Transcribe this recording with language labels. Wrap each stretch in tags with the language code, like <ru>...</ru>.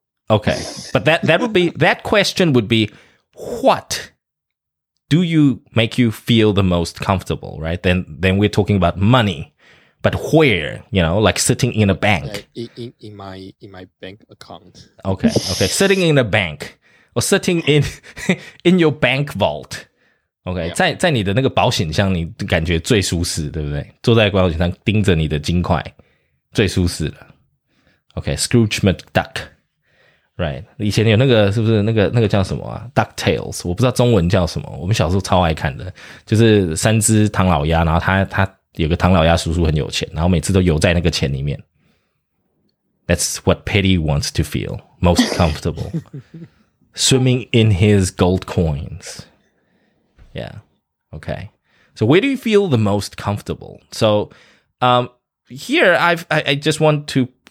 <en>Okay, but that would be that question would be, what do you make you feel the most comfortable? Right? Then we're talking about money, but where? You know, like sitting in a bank. In my bank account. Okay. Sitting in a bank or sitting in your bank vault.</en> <zh>Okay, 在你的那个保险箱，你感觉最舒适，对不对？坐在保险箱，盯着你的金块，最舒适了。</zh> <en>Okay, Scrooge McDuck, right?</en> <zh>以前有那个是不是那个叫什么啊 ？DuckTales， 我不知道中文叫什么。我们小时候超爱看的，就是三只唐老鸭，然后他有个唐老鸭叔叔很有钱，然后每次都游在那个钱里面。</zh> <en>That's what Petty wants to feel most comfortable, swimming in his gold coins. Yeah. Okay. So where do you feel the most comfortable? So, here I just want to.</en>